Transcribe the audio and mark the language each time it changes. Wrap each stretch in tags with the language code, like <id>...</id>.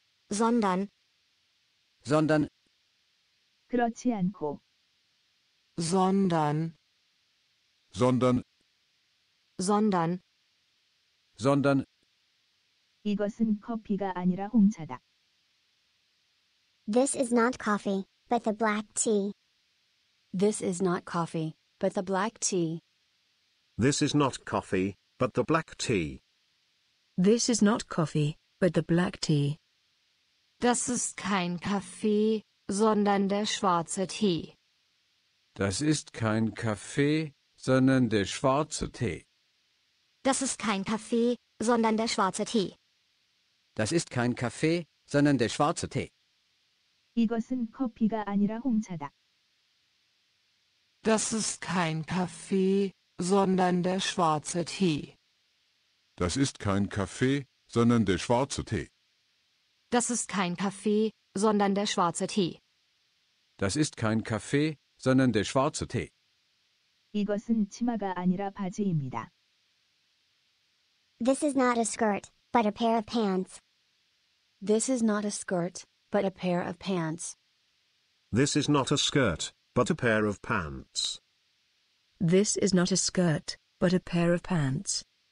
<de>Sondern. Sondern.</de> <ko>그렇지 않고.</ko> <de>Sondern. Sondern. Sondern. Sondern.</de> <ko>이것은 커피가 아니라 홍차다.</ko> <en>This is not coffee, but the black tea. This is not coffee, but the black tea. This is not coffee, but the black tea. This is not coffee, but the black tea.</en> <de>Das ist kein Kaffee, sondern der schwarze Tee. Das ist kein Kaffee, sondern der schwarze Tee. Das ist kein Kaffee, sondern der schwarze Tee. Das ist kein Kaffee, sondern der schwarze Tee.</de> <ko>이것은 커피가 아니라 홍차다.</ko> <de>Das ist kein Kaffee, sondern der schwarze Tee. Das ist kein Kaffee, sondern der schwarze Tee. Das ist kein Kaffee, sondern der schwarze Tee. Das ist kein Kaffee, sondern der schwarze Tee.</de> <ko>이것은 치마가 아니라 바지입니다.</ko> <en>This is not a skirt, but a pair of pants. This is not a skirt, but a pair of pants. This is not a skirt, but a pair of pants. This is not a skirt, but a pair of pants.</en>